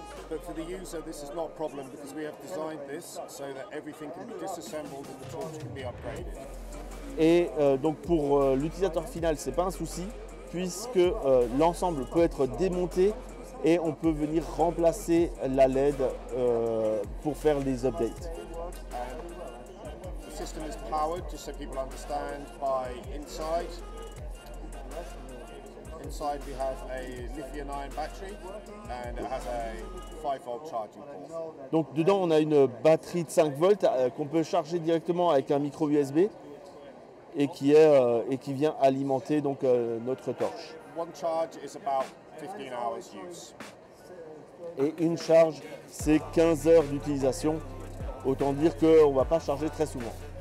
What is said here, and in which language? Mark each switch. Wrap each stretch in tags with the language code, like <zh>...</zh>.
<en>But for the user, this is not a problem because we have designed this so that everything can be disassembled and the torch can be upgraded.</en> <fr>Et donc pour l'utilisateur final, c'est pas un souci puisque l'ensemble peut être démonté et on peut venir remplacer la LED pour faire les updates.</fr> <en>The system is powered, just so people understand, by inside. Inside we have a lithium-ion battery and it has a 5-volt charging port.</en> <fr>Donc dedans on a une batterie de 5 volts qu'on peut charger directement avec un micro USB. Et qui vient alimenter donc notre torche.</fr> <en>One charge is about 15 hours use.</en> <fr>Et une charge, c'est 15 heures d'utilisation. Autant dire qu'on ne va pas charger très souvent.</fr>